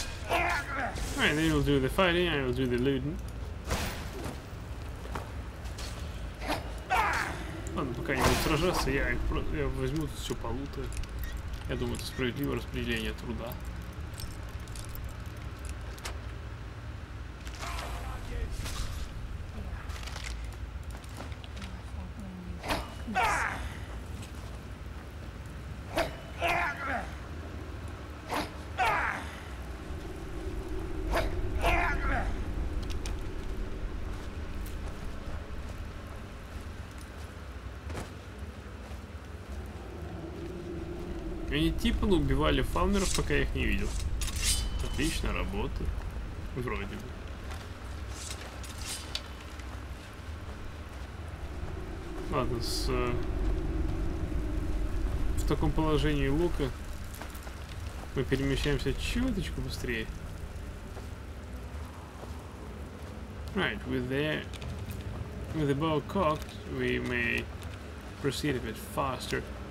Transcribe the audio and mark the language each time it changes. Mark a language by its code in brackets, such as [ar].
[en] Alright, they will do the fighting, I will do the looting. [ru] Ладно, пока они будут сражаться, я возьму тут все полутаю. Я думаю, это справедливое распределение труда. Они типа убивали фаунеров, пока я их не видел. Отличная работа. Вроде бы. Ладно, с... В таком положении лука мы перемещаемся чуточку быстрее. [en] Right, with the bow cocked, we may proceed a bit faster.